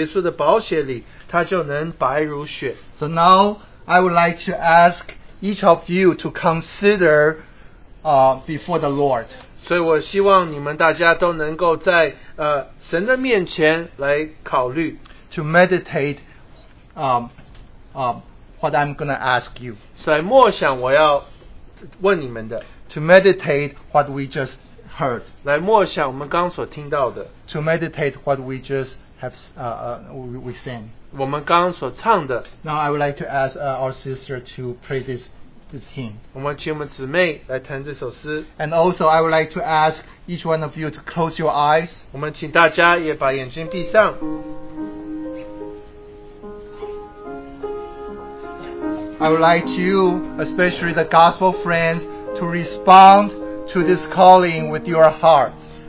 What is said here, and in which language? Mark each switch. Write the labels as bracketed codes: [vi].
[zh] 所以这一位作者也在第六节说，他知道他的血必，他的罪必洗在主耶稣的宝血里，他就能白如雪。 [en] So now I would like to ask each of you to consider before the Lord. [zh] 所以我希望你们大家都能够在 神的面前来考虑 [en] to meditate what I'm going to ask you. [zh] 所以默想我要问你们的 [en] to meditate what we just heard. [zh] 来默想我们刚所听到的 [en] to meditate what we just have we sang. [zh] 我们刚所唱的 [en] Now I would like to ask our sister to pray this hymn. [zh] 我们请我们姊妹来弹这首诗。 [en] And also I would like to ask each one of you to close your eyes. [zh] 我们请大家也把眼睛闭上。 [en] I would like you, especially the gospel friends, to respond to this calling with your hearts.